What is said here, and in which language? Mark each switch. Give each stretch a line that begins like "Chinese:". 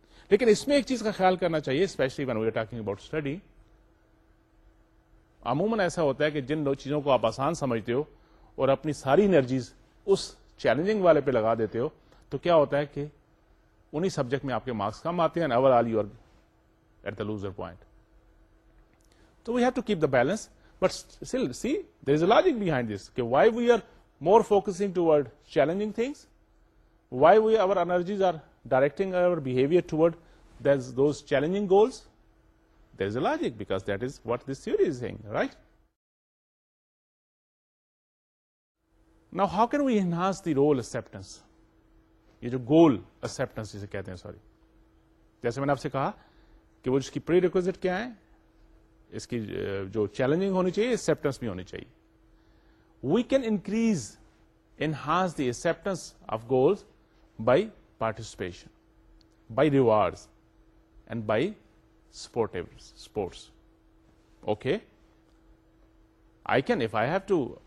Urdu: لیکن اس میں ایک چیز کا خیال کرنا چاہیے,
English: especially when we are talking about study,
Urdu: عموماً ایسا ہوتا ہے کہ جن چیزوں کو آپ آسان سمجھتے ہو اور اپنی ساری انرجیز اس چیلنجنگ والے پہ لگا دیتے ہو, تو کیا ہوتا ہے کہ انہی سبجیکٹ میں آپ کے مارکس کم آتے ہیں,
English: Overall you are at the loser point.
Urdu: تو
English: We have to keep the balance. But still, see, there is a logic behind this. Okay, why we are more focusing toward challenging things? Why we our energies are directing our behavior toward those challenging goals? There is a logic, because that is what this theory is saying, right? Now, how can we enhance the role acceptance?
Urdu: یہ جو گول اسپٹنس جسے کہتے ہیں sorry جیسے میں نے آپ سے کہا کہ وہ اس کی پری ریکویزٹ کیا ہے اس کی جو چیلنجنگ ہونی چاہیے اسپٹنس بھی ہونی چاہیے
English: we can increase enhance the acceptance of goals by participation by rewards and by supports okay I can if I have to